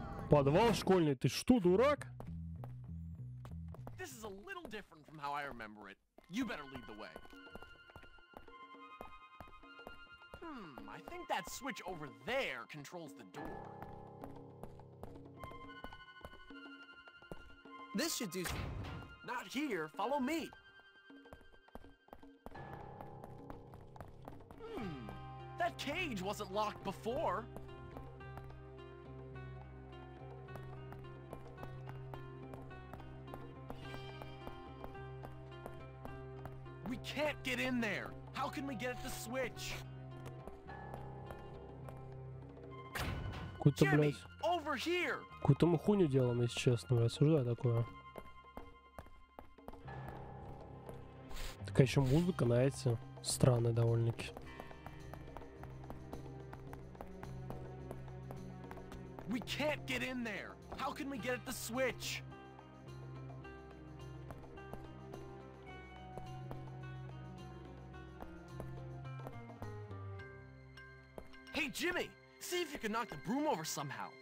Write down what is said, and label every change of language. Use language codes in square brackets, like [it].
[ru] Подвал школьный, ты что, дурак? [en] This is a little different from how I remember it. You better lead the way. I think that switch over there controls the door. This should do. Not here, follow me. That cage wasn't locked before. Can't get in there. How can we get at the switch? [ru] Куда, блядь? [en] Over here. [ru] Куда мы хуйню делаем, если честно, блядь? Осуждаю такое. Такая еще музыка, знаете, странная довольно-таки. [en] We can't get in there. How can we get at the switch? Jimmy, see if you can knock the broom over somehow.